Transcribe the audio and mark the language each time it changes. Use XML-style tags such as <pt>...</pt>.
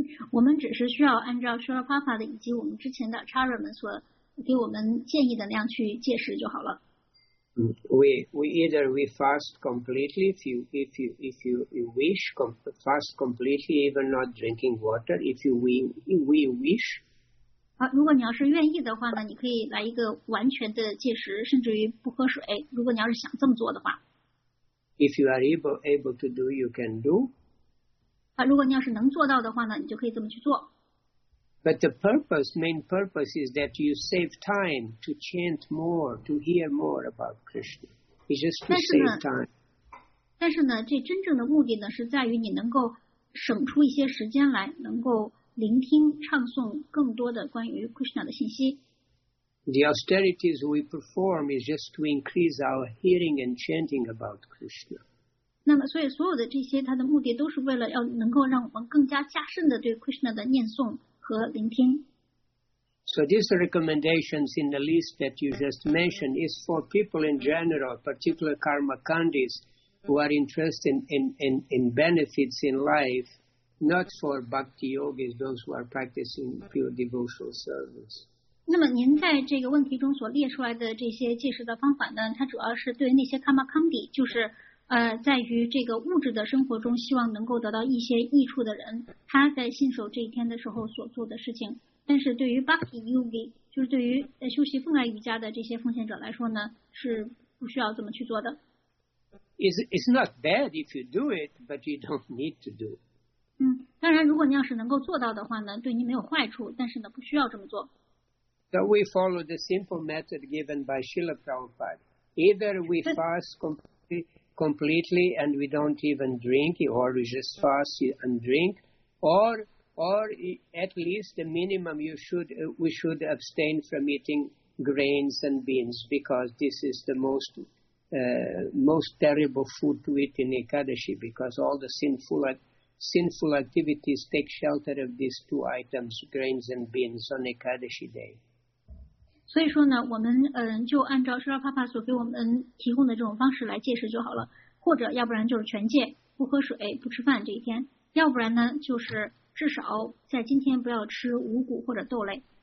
<zh>我们只是需要按照 Srila Prabhupada 以及我们之前的 acharya 们所给我们建议的那样去戒食就好了。</zh> <en>We either fast completely if you wish fast completely even not drinking water if we wish.</en> <zh>如果你要是愿意的话呢，你可以来一个完全的戒食，甚至于不喝水。如果你要是想这么做的话</zh> <en>，If you are able to do, you can do.</en> <zh>如果你要是能做到的话呢，你就可以这么去做。</zh> <en>But the purpose, main purpose, is that you save time to chant more, to hear more about Krishna. It's just to save time.</en> <zh>但是呢，这真正的目的呢，是在于你能够省出一些时间来，能够聆听、唱诵更多的关于 Krishna 的信息。</zh> <en>The austerities we perform is just to increase our hearing and chanting about Krishna.</en> <zh>那么，所以所有的这些，它的目的都是为了要能够让我们更加加深的对 Krishna 的念诵。和聆听。</zh> <en>So these recommendations in the list that you just mentioned is for people in general, particular karmakandis who are interested in benefits in life, not for bhakti yogis, those who are practicing pure devotional service.</en> <zh>那么您在这个问题中所列出来的这些戒食的方法呢，它主要是对那些 karmakandi， 就是在于这个物质的生活中希望能够得到一些益处的人，他在信守这一天的时候所做的事情。但是对于 Bhakti Yogi， 就是对于修习奉爱瑜伽的这些奉献者来说呢，是不需要这么去做的。</zh> <en>It's not bad if you do it, but you don't need to do.</en> <zh>当然如果你要是能够做到的话呢，对你没有坏处，但是呢不需要这么做。</zh> <en>So we follow the simple method given by Srila Prabhupada. Either we fast completely and we don't even drink or we just fast and drink or at least the minimum we should abstain from eating grains and beans because this is the most most terrible food to eat in Ekadashi, because all the sinful activities take shelter of these two items, grains and beans, on Ekadashi day.</en> <zh>所以说呢，我们就按照释迦牟尼佛法所给我们提供的这种方式来解释就好了，或者要不然就是全戒，不喝水、不吃饭这一天；要不然呢，就是至少在今天不要吃五谷或者豆类。</zh>